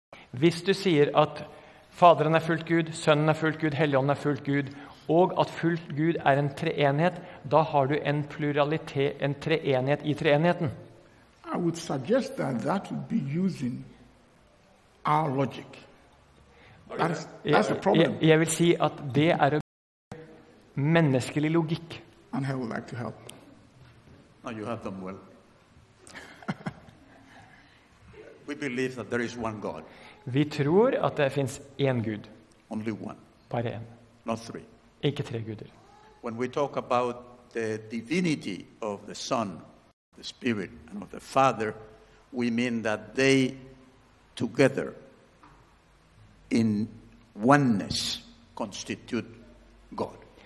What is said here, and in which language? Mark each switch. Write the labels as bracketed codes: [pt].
[no] Hvis du sier at Faderen er fullt Gud, Sønnen er fullt Gud, Helligånden er fullt Gud, og at fullt Gud er en treenighet, da har du en pluralitet, en treenighet i treenigheten. [en] I would suggest that that would be using our logic. That's a problem. [no] Jeg vil si at det er en menneskelig logikk. [en] And I would like to help. No, you have them well. We believe that there is one God. [no] Vi tror at det finns en Gud. [en] Only one. [no] Bare en. [en] Not three. [no] Ikke tre guder. [en] When we talk about the divinity of the Son, the Spirit, and of the Father, we mean that they together in oneness constitute God.